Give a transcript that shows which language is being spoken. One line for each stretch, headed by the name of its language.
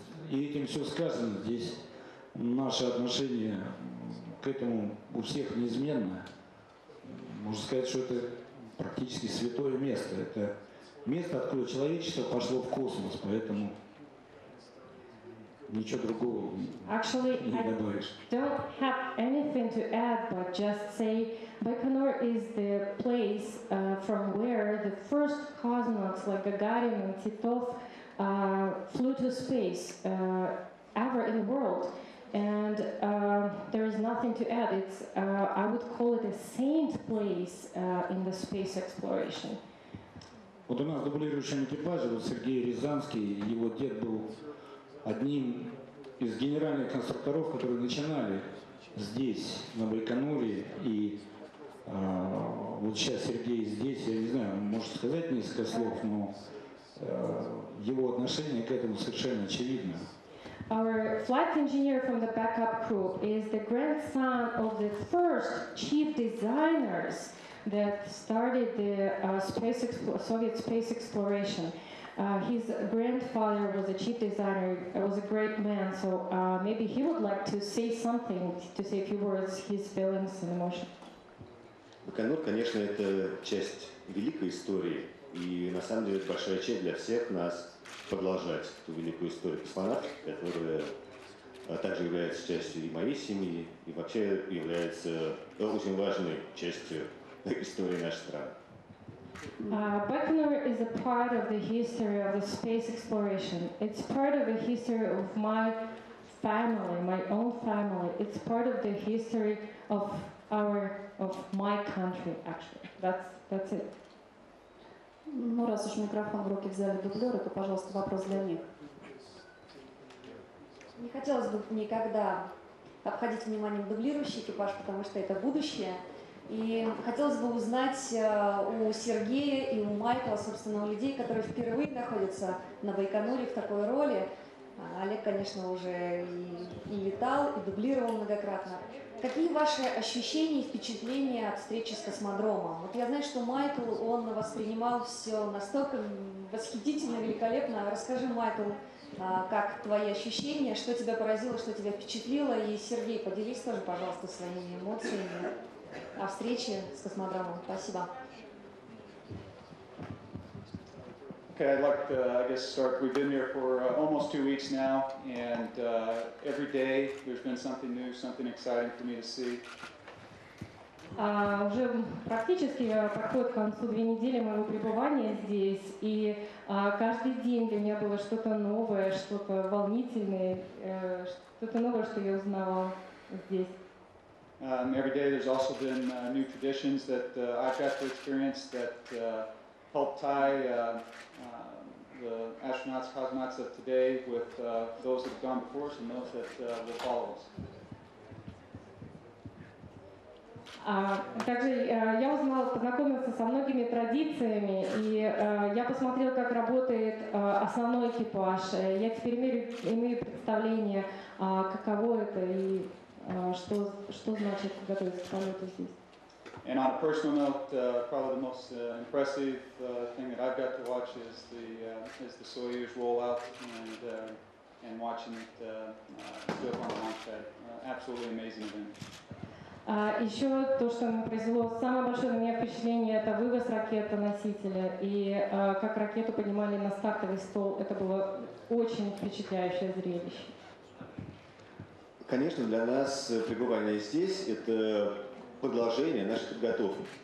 Russian: И этим все сказано. Здесь наше отношение к этому у всех неизменно. Можно сказать, что это практически святое место. Это место, откуда человечество пошло в космос, поэтому ничего другого
English: actually,
Russian: не добавишь.
English: I don't have anything to add, but just say Baikonur is the place from where the first cosmonauts like Gagarin and Titov flew to space ever in the world. And there is nothing to add. It's I would call it a saint place in the space exploration.
Russian: Вот у нас дублирующий экипаж, вот Сергей Рязанский, его дед был одним из генеральных конструкторов, которые начинали здесь, на Байконуре. И вот сейчас Сергей здесь, я не знаю, он может сказать несколько слов, но Его отношение к этому совершенно очевидно.
English: Our flight engineer from the backup crew is the grandson of the first chief designers that started the Soviet space exploration. His grandfather was a chief designer, was a great man, so maybe he would like to say something, to say a few words, his feelings and emotions.
Russian: Байконур, конечно, это часть великой истории, и на самом деле это большая честь для всех нас продолжать эту великую историю космонавтов, которая также является частью и моей семьи, и вообще является очень важной частью истории нашей страны.
English: Байконур is a part of the history of the space exploration. It's part of the history of my family, my own family. It's part of the history of my country, actually. That's it.
Russian: Ну, раз уж микрофон в руки взяли дублеры, то, пожалуйста, вопрос для них. Не хотелось бы никогда обходить вниманием дублирующий экипаж, потому что это будущее. И хотелось бы узнать у Сергея и у Майкла, собственно, у людей, которые впервые находятся на Байконуре в такой роли. Олег, конечно, уже и летал, и дублировал многократно. Какие ваши ощущения и впечатления от встречи с космодромом? Вот я знаю, что Майкл, он воспринимал все настолько восхитительно, великолепно. Расскажи, Майкл, как твои ощущения, что тебя поразило, что тебя впечатлило. И, Сергей, поделись тоже, пожалуйста, своими эмоциями о встрече с космодромом. Спасибо.
English: Okay, I'd like to, I guess, start. We've been here for almost 2 weeks now, and every day there's been something new, something exciting for me to see.
Russian: Уже практически подходит к концу две недели моего пребывания здесь, и каждый день для меня было что-то новое, что-то волнительное, что-то новое, что я узнала здесь.
English: Every day there's also been new traditions that I've got to experience that help tie the astronauts, cosmonauts of today with those that have gone before us and those that will follow us.
Russian: Также я узнала, познакомиться со многими традициями, и я посмотрела, как работает основной экипаж. Я теперь имею представление, каково это и что значит готовиться к полету здесь.
English: And on a personal note, probably the most impressive thing that I've got to watch is the Soyuz rollout and watching it go up on the launch pad. Absolutely amazing event.
Russian: Еще то, что мне произвело самое большое на меня впечатление, это вывоз ракеты-носителя и как ракету поднимали на стартовый стол. Это было очень впечатляющее зрелище. Конечно, для нас пребывание здесь это продолжение нашей подготовки.